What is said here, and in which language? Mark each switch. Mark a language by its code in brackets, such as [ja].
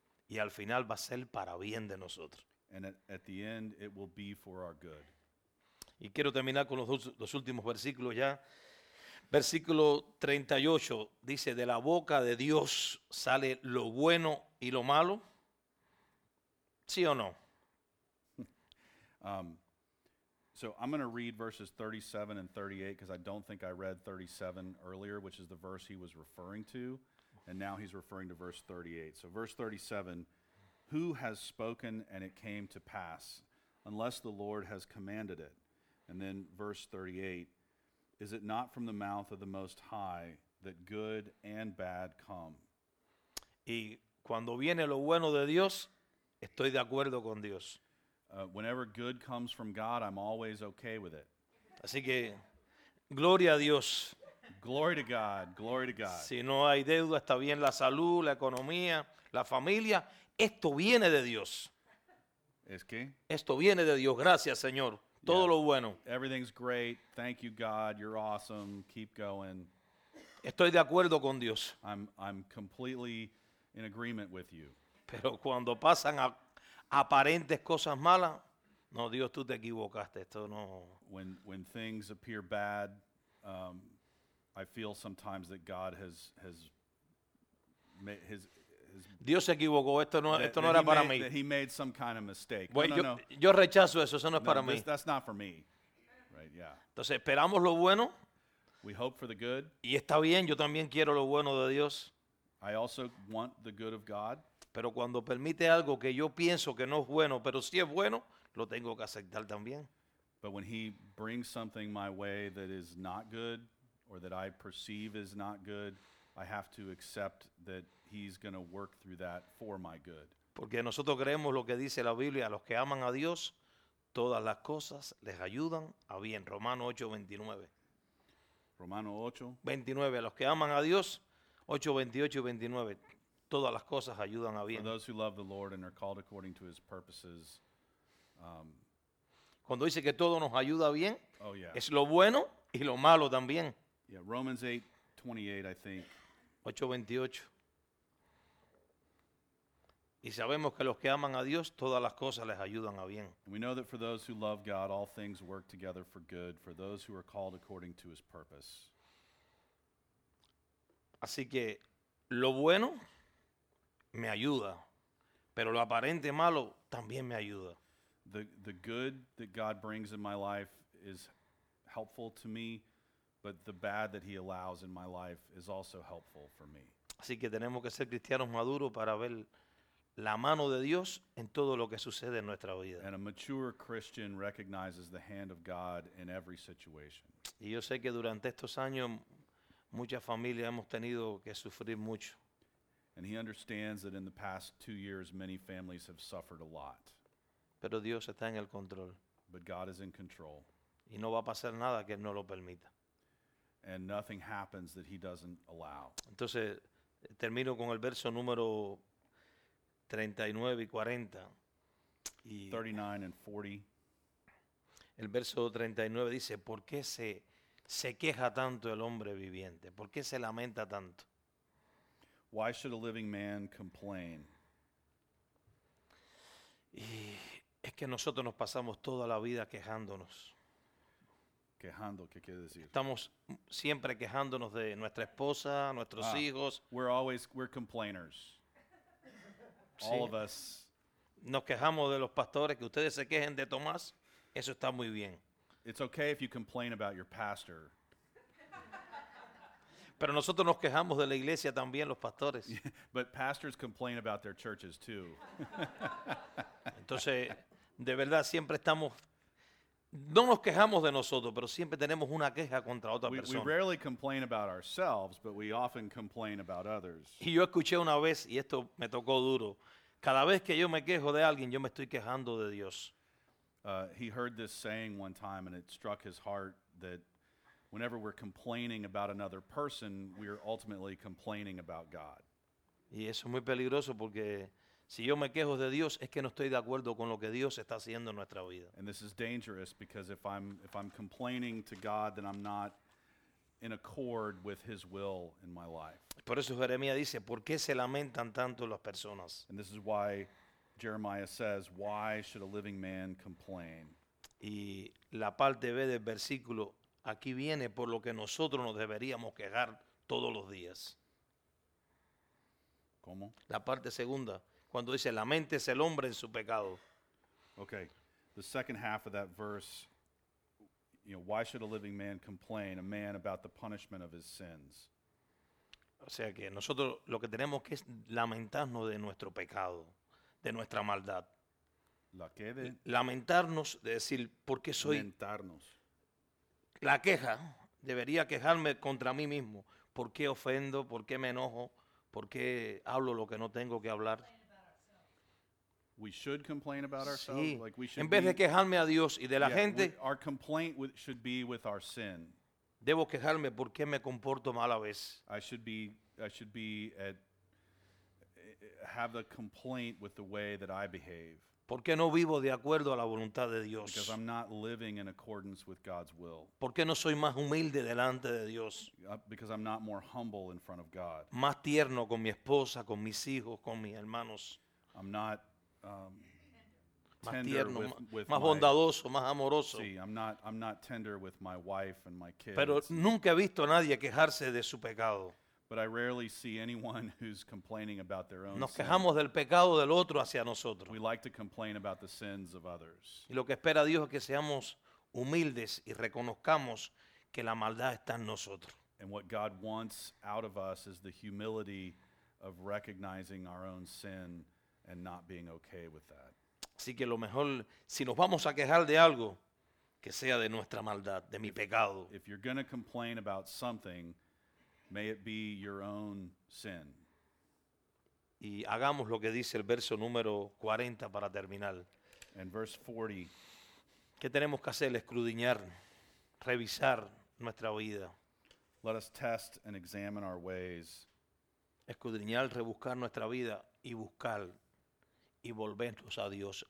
[es] Y al final va a ser para bien de nosotros. [en] And at the end, it will be for our good. [es] Y quiero terminar con los últimos versículos ya. Versículo 38 dice, de la boca de Dios sale lo bueno y lo malo. ¿Sí o no? [en] So I'm going to read verses 37 and 38 because I don't think I read 37 earlier, which is the verse he was referring to. And now he's referring to verse 38. So verse 37, who has spoken and it came to pass, unless the Lord has commanded it? And then verse 38, is it not from the mouth of the Most High that good and bad come? [es] Y cuando viene lo bueno de Dios, estoy de acuerdo con Dios. [en] Whenever good comes from God, I'm always okay with it. [es] Así que, gloria a Dios. [en] Glory to God, glory to God. [es] Si no hay deuda, está bien la salud, la economía, la familia. Esto viene de Dios. ¿Es qué? Esto viene de Dios. Gracias, Señor. Todo lo bueno. [en] Everything's great. Thank you, God. You're awesome. Keep going. [es] Estoy de acuerdo con Dios. [en] I'm completely in agreement with you. [es] Pero cuando pasan a aparentes cosas malas, no, Dios, tú te equivocaste. Esto no. [en] When things appear bad, I feel sometimes that God has made his. [es] Dios se equivocó, esto no era para mí. [en] He made some kind of mistake. [es] Bueno, yo rechazo eso no es para mí. [en] That's not for me. Right, yeah. [es] Entonces, esperamos lo bueno. [en] We hope for the good. [es] Y está bien, yo también quiero lo bueno de Dios. [en] I also want the good of God. [es] Pero cuando permite algo que yo pienso que no es bueno, pero sí es bueno, lo tengo que aceptar también. [en] But when he brings something my way that is not good, or that I perceive is not good, I have to accept that he's going to work through that for my good. [es] Porque nosotros creemos lo que dice la Biblia, a los que aman a Dios, todas las cosas les ayudan a bien. Romano 8:29. Romano 8:29, a los que aman a Dios, 8:28 y 29, todas las cosas ayudan a bien. [en] For those who love the Lord and are called according to his purposes. [es] Cuando dice que todo nos ayuda a bien, [en] oh, yeah. [es] Es lo bueno y lo malo también. [en] Yeah, Romans 8:28, I think. 8:28. [es] Y sabemos que los que aman a Dios, todas las cosas les ayudan a bien. [en] And we know that for those who love God, all things work together for good, for those who are called according to his purpose. [es] Así que lo bueno me ayuda, pero lo aparente malo también me ayuda. [en] The good that God brings in my life is helpful to me, but the bad that he allows in my life is also helpful for me. [es] Así que tenemos que ser cristianos maduros para ver la mano de Dios en todo lo que sucede en nuestra vida. [en] And a mature Christian recognizes the hand of God in every situation. [es] Y yo sé que durante estos años muchas familias hemos tenido que sufrir mucho. [en] And he understands that in the past 2 years many families have suffered a lot. [es] Pero Dios está en el control. [en] But God is in control. [es] Y no va a pasar nada que él no lo permita. [en] And nothing happens that he doesn't allow. [es] Entonces termino con el verso número 39 y 40. [en] 39 and 40. [es] El verso 39 dice, ¿por qué se queja tanto el hombre viviente? ¿Por qué se lamenta tanto? [en] Why should a living man complain? [es] Y es que nosotros nos pasamos toda la vida quejándonos. Quejando, ¿qué quiere decir? Estamos siempre quejándonos de nuestra esposa, nuestros hijos. [en] We're complainers. [es] Sí. [en] All of us. [es] Nos quejamos de los pastores, que ustedes se quejen de Tomás, eso está muy bien. [en] It's okay if you complain about your pastor. [es] Pero nosotros nos quejamos de la iglesia también, los pastores. [en] But pastors complain about their churches too. [es] Entonces, de verdad, siempre estamos, no nos quejamos de nosotros, pero siempre tenemos una queja contra otra persona. [en] We rarely complain about ourselves, but we often complain about others. [es] Y yo escuché una vez, y esto me tocó duro, cada vez que yo me quejo de alguien, yo me estoy quejando de Dios. [en] He heard this saying one time, and it struck his heart that whenever we're complaining about another person, we're ultimately complaining about God. [es] Y eso es muy peligroso porque si yo me quejo de Dios, es que no estoy de acuerdo con lo que Dios está haciendo en nuestra vida. [en] And this is dangerous because if I'm complaining to God, then I'm not in accord with His will in my life. [es] Por eso Jeremías dice, ¿por qué se lamentan tanto las personas? [en] And this is why Jeremiah says, why should a living man complain? [es] Y la parte B del versículo, aquí viene por lo que nosotros nos deberíamos quejar todos los días. ¿Cómo? La parte segunda, cuando dice, lamentes el hombre en su pecado. [en] Okay, the second half of that verse, you know, why should a living man complain, a man about the punishment of his sins? [es] O sea que nosotros lo que tenemos que es lamentarnos de nuestro pecado, de nuestra maldad. ¿La qué de? Lamentarnos, de decir, ¿por qué soy? Lamentarnos. La queja, debería quejarme contra mí mismo. ¿Por qué ofendo? ¿Por qué me enojo? ¿Por qué hablo lo que no tengo que hablar? [en] We should complain about ourselves. [es] Sí. [en] Like we should [es] en vez de quejarme a Dios y de la gente. [en] Our complaint should be with our sin. [es] Debo quejarme por qué me comporto mal a veces. [en] I should have the complaint with the way that I behave. [es] ¿Por qué no vivo de acuerdo a la voluntad de Dios? [en] Because I'm not living in accordance with God's will. [es] ¿Por qué no soy más humilde delante de Dios? [en] Because I'm not more humble in front of God. [es] Más tierno con mi esposa, con mis hijos, con mis hermanos. [en] I'm not [es] más tierno, más bondadoso, más amoroso. Sí, [en] I'm not tender with my wife and my kids. [es] Pero nunca he visto a nadie quejarse de su pecado. [en] But I rarely see anyone who's complaining about their own sin. [es] Nos quejamos del pecado del otro hacia nosotros. [en] We like to complain about the sins of others. [es] Y lo que espera Dios es que seamos humildes y reconozcamos que la maldad está en nosotros. [en] And what God wants out of us is the humility of recognizing our own sin and not being okay with that. [es] Así que lo mejor, si nos vamos a quejar de algo, que sea de nuestra maldad, de mi pecado. [en] If you're going to complain about something, may it be your own sin. [es] Y hagamos lo que dice el verso número 40 para terminar. [en] And verse 40. [es] ¿Qué tenemos que hacer? Escrudiñar, revisar nuestra vida. [en] Let us test and examine our ways. [es] Escrudiñar, rebuscar nuestra vida y buscar y volvernos a Dios.